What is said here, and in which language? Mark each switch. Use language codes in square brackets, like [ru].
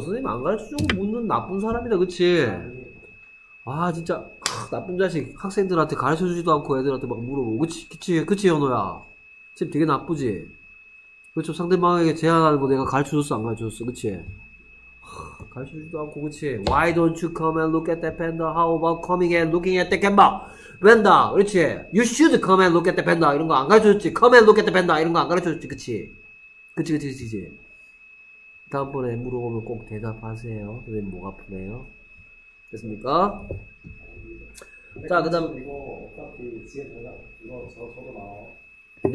[ko] 선생님 안 가르쳐주고 묻는 나쁜 사람이다, 그치? 아 진짜 나쁜 자식. 학생들한테 가르쳐주지도 않고 애들한테 막 물어보고. 그치 현호야? 지금 되게 나쁘지? 그렇죠. 상대방에게 제안하는 거 내가 가르쳐줬어 안 가르쳐줬어, 그치? 가르쳐주지도 않고, 그치? [en] Why don't you come and look at that panda? How about coming and looking at that panda? Panda, [ko] 그렇지? [en] You should come and look at that panda. [ko] 이런 거 안 가르쳐줬지? [en] Come and look at that panda. [ko] 이런 거 안 가르쳐줬지, 그치? 다음번에 물어보면 꼭 대답하세요. 선생님 목 아프네요. 됐습니까? 자, 그 다음. 이거 어차피 지에 대답, 이거 저도 나와.